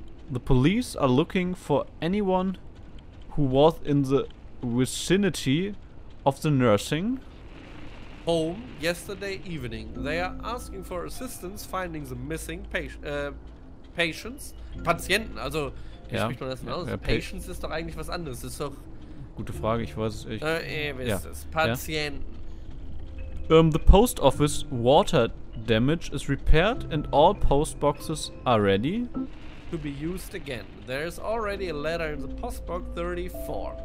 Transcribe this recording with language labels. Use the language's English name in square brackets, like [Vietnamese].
[English] The police are looking for anyone who was in the vicinity of the nursing home yesterday evening. They are asking for assistance finding the missing patients, also [German] ja. Wie spricht man das denn aus? Ja, patients ist doch eigentlich was anderes, ist doch gute Frage, ich weiß ich es. Patienten. [English] The post office water damage is repaired and all post boxes are ready to be used again. There is already a letter in the postbox 34.